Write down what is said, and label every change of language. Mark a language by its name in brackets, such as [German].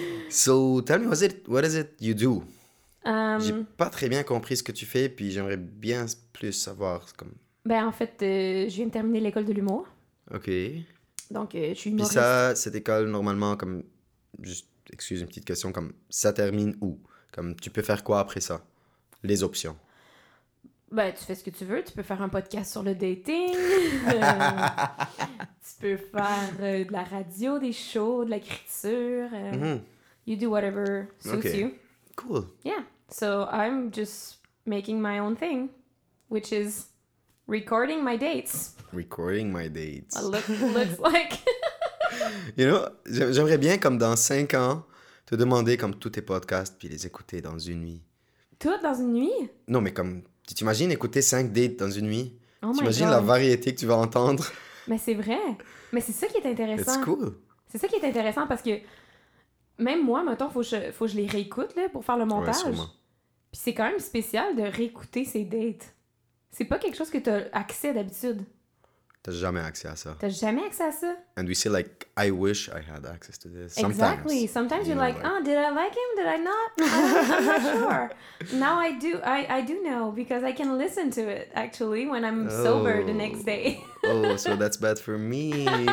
[English] So, tell me, what is it you do? [French] J'ai pas très bien compris ce que tu fais, puis j'aimerais bien plus savoir. Comme... Ben, en fait, je viens de terminer l'école de l'humour. OK. Donc, je suis humoriste. Puis ça, cette école, normalement, comme... Juste, excuse une petite question, comme ça termine où? Comme, tu peux faire quoi après ça? Les options. Ben, tu fais ce que tu veux. Tu peux faire un podcast sur le dating. tu peux faire de la radio, des shows, de l'écriture. [English] You do whatever suits you. Cool. Yeah. So I'm just making my own thing, which is recording my dates. Recording my dates. Looks like. You know, [French] j'aimerais bien comme dans 5 ans te demander comme tous tes podcasts puis les écouter dans une nuit. Tout dans une nuit? Non, mais comme tu t'imagines écouter 5 dates dans une nuit? [English] Oh my [French] t'imagines [English] God. [French] La variété que tu vas entendre? Mais c'est vrai. Mais c'est ça qui est intéressant. [English] It's cool. [French] C'est ça qui est intéressant parce que. Même moi, mettons, faut que je les réécoute là, pour faire le montage. Ouais, sûrement. Puis c'est quand même spécial de réécouter ces dates. C'est pas quelque chose que t'as accès d'habitude. T'as jamais accès à ça. T'as jamais accès à ça. [English] And we say like, I wish I had access to this. Sometimes. Exactly. Sometimes you're like, oh, did I like him? Did I not? I'm not sure. Now I do. I do know because I can listen to it actually when I'm sober the next day. Oh, so that's bad for me.